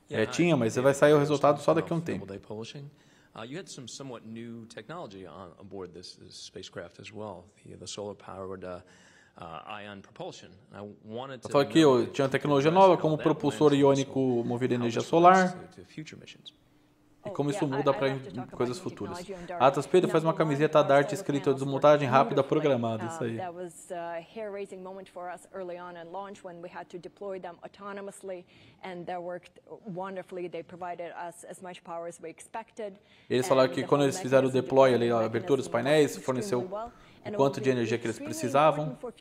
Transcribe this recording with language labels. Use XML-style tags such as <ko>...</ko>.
<pt>Tinha, mas vai sair o resultado só daqui a um tempo.</pt> <en>You had some somewhat new technology on board this spacecraft as well, the solar powered ion propulsion. I wanted to</en> <pt>Aqui, eu tinha tecnologia nova como propulsor iônico movido a energia solar. E como isso muda para coisas futuras. Atlas Pedro faz uma camiseta da DART escrita de desmontagem rápida programada. Isso aí.</pt> <en>That was a hair-raising moment for us early on in launch when we had to deploy them autonomously and that worked wonderfully. They provided us as much power as we expected.</en> <pt>Eles falaram que quando eles fizeram o deploy ali, a abertura dos painéis, forneceu o quanto de energia que eles precisavam.</pt>